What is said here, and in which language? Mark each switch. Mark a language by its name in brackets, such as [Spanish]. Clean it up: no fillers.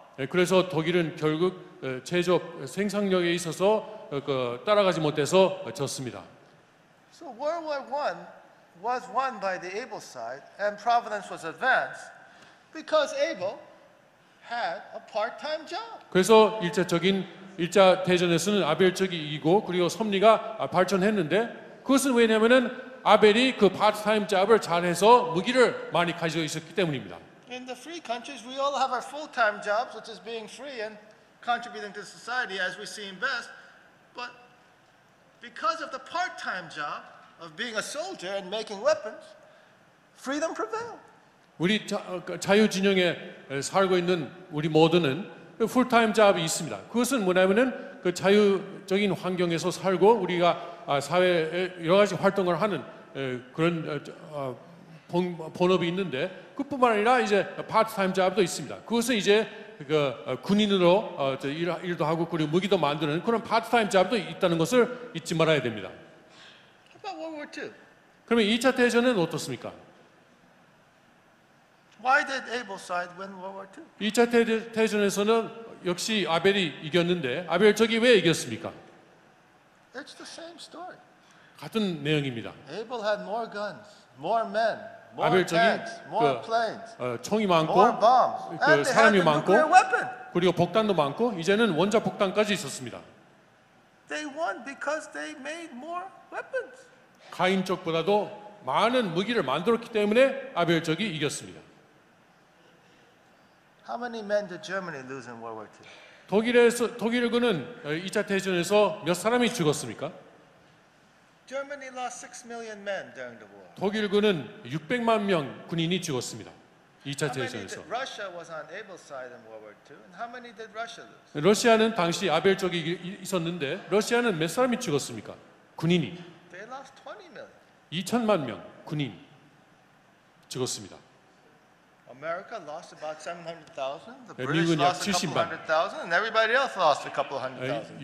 [Korean] 그래서 독일은 결국 제조 생산력에 있어서 그 따라가지 못해서 졌습니다. [English] So World War One was won by the Abel side, and Providence was advanced because Abel had a part-time job. [Korean] 그래서 일차적인 1차 대전에서는 아벨 쪽이 이기고 그리고 섭리가 발전했는데 그것은 왜냐하면 아벨이 그 파트타임 잡을 잘해서 무기를 많이 가지고 있었기 때문입니다. [English] In the free countries, we all have our full-time jobs, which is being free and contributing to society as we see best. But because of the part-time job of being a soldier and making weapons, freedom prevailed. [Korean] 우리 자유 진영에 살고 있는 우리 모두는 풀타임 잡이 있습니다. 그것은 뭐냐면은 그 자유적인 환경에서 살고 우리가 사회에 여러 가지 활동을 하는 그런 본업이 있는데 그뿐만 아니라 이제 파트타임 잡도 있습니다. 그것은 이제 그 군인으로 일도 하고 그리고 무기도 만드는 그런 파트타임 잡도 있다는 것을 잊지 말아야 됩니다. [English] How about World War II? [Korean] 그러면 2차 대전은 어떻습니까? [English] Why did Abel's side win World War II? [Korean] 2차 대전에서는 역시 아벨이 이겼는데 아벨 쪽이 왜 이겼습니까? [English] It's the same story. [Korean] 같은 내용입니다. [English] Abel had more guns, more men, more tanks, more planes, [Korean] 총이 많고, [English] more bombs, [Korean] 그 사람이 [English] they had [Korean] 많고, [English] the nuclear weapon. [Korean] 그리고 폭탄도 많고 이제는 원자 폭탄까지 있었습니다. [English] They won because they made more weapons. [Korean] 카인 쪽보다도 많은 무기를 만들었기 때문에 아벨 쪽이 이겼습니다. [English] How many men did Germany lose in World War II? [Korean] 독일군은 2차 대전에서 몇 사람이 죽었습니까? [English] Germany lost 6 million men during the war. [Korean] 독일군은 600만 명 군인이 죽었습니다. 2차 대전에서. [English] Russia was on Abel's side in World War II. And how many did Russia lose? [Korean] 러시아는 당시 아벨 쪽에 있었는데 러시아는 몇 사람이 죽었습니까? 군인이. [English] They lost 20 million. [Korean] 2천만 명 군인 죽었습니다. [English] America lost about 700,000. The British lost a couple hundred thousand, and everybody else lost a couple hundred thousand.